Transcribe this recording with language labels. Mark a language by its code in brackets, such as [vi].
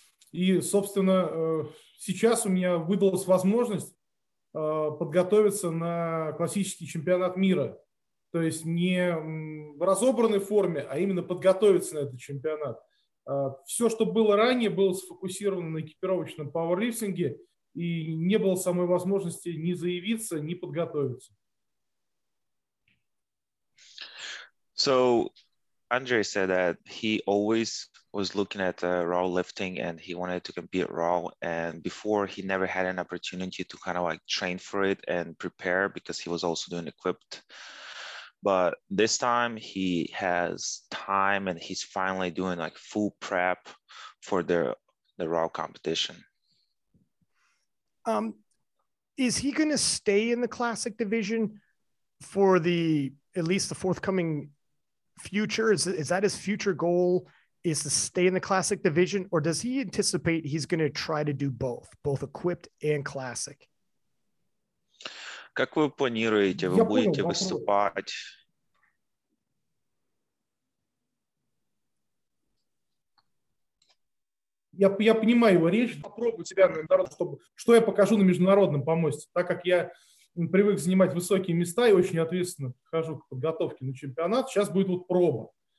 [ru] И, собственно, сейчас у меня выдалась возможность подготовиться на классический чемпионат мира. То есть не в разобранной форме, а именно подготовиться на этот чемпионат. Все, что было ранее, было сфокусировано на экипировочном пауэрлифтинге, и не было самой возможности ни заявиться, ни подготовиться. [en] So, Andrei said that he always was looking at raw lifting and he wanted to compete raw. And before, he never had an opportunity to kind of like train for it and prepare because he was also doing equipped. But this time he has time and he's finally doing like full prep for the raw competition. Is he going to stay in the classic division for at least the forthcoming future? Is that his future goal, is to stay in the classic division, or does he anticipate he's going to try to do both equipped and classic? [ru] Как вы планируете, вы будете выступать? Я понимаю его речь. Попробую себя на международном, что я покажу на международном помосте. Так как я привык занимать высокие места и очень ответственно хожу к подготовке на чемпионат, сейчас будет вот проба.